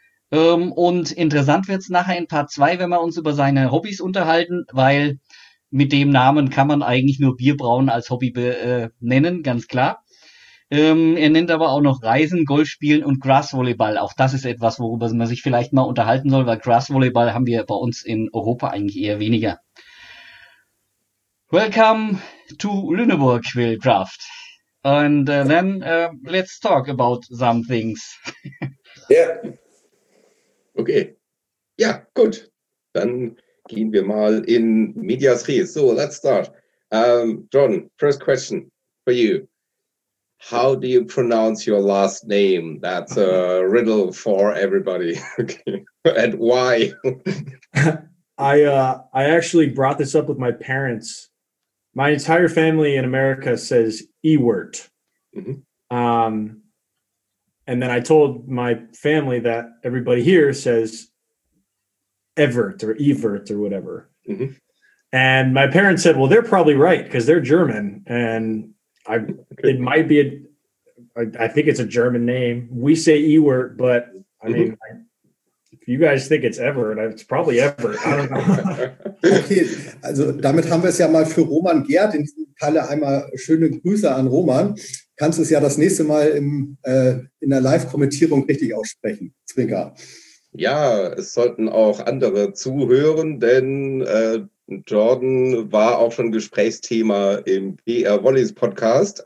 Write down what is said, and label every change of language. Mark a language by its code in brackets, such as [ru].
[de] Und interessant wird es nachher in Part 2, wenn wir uns über seine Hobbys unterhalten, weil mit dem Namen kann man eigentlich nur Bierbrauen als Hobby nennen, ganz klar. Er nennt aber auch noch Reisen, Golfspielen und Grassvolleyball. Auch das ist etwas, worüber man sich vielleicht mal unterhalten soll, weil Grassvolleyball haben wir bei uns in Europa eigentlich eher weniger. [en] Welcome to Lüneburg, Will Kraft. And then let's talk about some things. Yeah. Okay. Ja, gut. [de] Dann gehen wir mal in medias res. [en] So, let's start. John, first question for you. How do you pronounce your last name? That's a riddle for everybody. Okay. And why? I actually brought this up with my parents. My entire family in America says Ewert. Mm-hmm. And then I told my family that everybody here says Evert or Evert or whatever. Mm-hmm. And my parents said, well, they're probably right because they're German. And it might be, I think it's a German name. We say Ewert, but I mean, mm-hmm. If you guys think it's Evert, it's probably Evert. I don't know. [de] Okay, also damit haben wir es ja mal für Roman Gerd. In diesem Falle einmal schöne Grüße an Roman. Kannst du es ja das nächste Mal in der Live-Kommentierung richtig aussprechen, Zwinker. Ja, es sollten auch andere zuhören, denn Jordan war auch schon Gesprächsthema im BR Volleys Podcast.